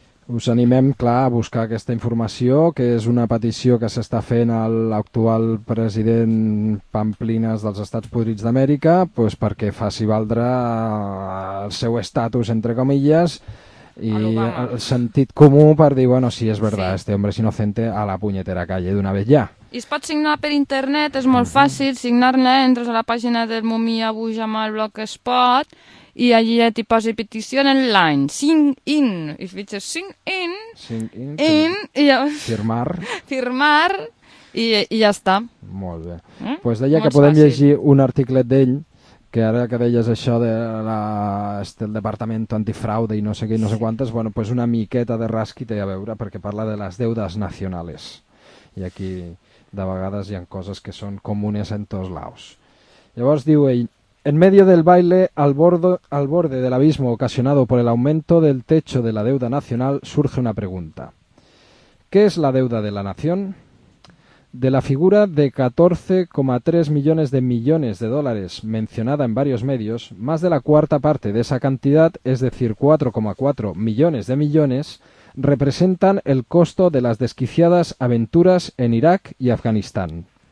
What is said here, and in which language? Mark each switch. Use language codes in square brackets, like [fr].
[ca] Us animem, clar, a buscar aquesta informació, que és una petició que s'està fent a l'actual president Pamplinas dels Estats Podrits d'Amèrica, doncs perquè faci valdre el seu estatus, [es] entre comillas, [ca] i el sentit comú per dir, sí, és veritat, sí. [es] Este hombre es inocente a la punyetera calle d'una vez ya. [ca] I es pot signar per internet, és molt fàcil, signar-ne, entres a la pàgina del Mumia Bujamal Blogspot i allí t'hi posa petició en line, sign in, i fitxes sign in, i llavors... [es] Firmar, [ca] i ja està. Molt bé. Llegir un article d'ell, que ara que deies això del Departament Antifraude i no sé què, no sé quantes, una miqueta de rasqui té a veure, perquè parla de les deudes nacionales. I aquí... De vegades hi ha coses que són comunes en tots lados. [es] Llavors diu ell, en medio del baile al borde del abismo ocasionado por el aumento del techo de la deuda nacional, surge una pregunta. ¿Qué es la deuda de la nación? De la figura de 14,3 millones de millones de dólares mencionada en varios medios, más de la cuarta parte de esa cantidad, es decir, 4,4 millones de millones, representan el costo de las desquiciadas aventuras en Irak y Afganistán.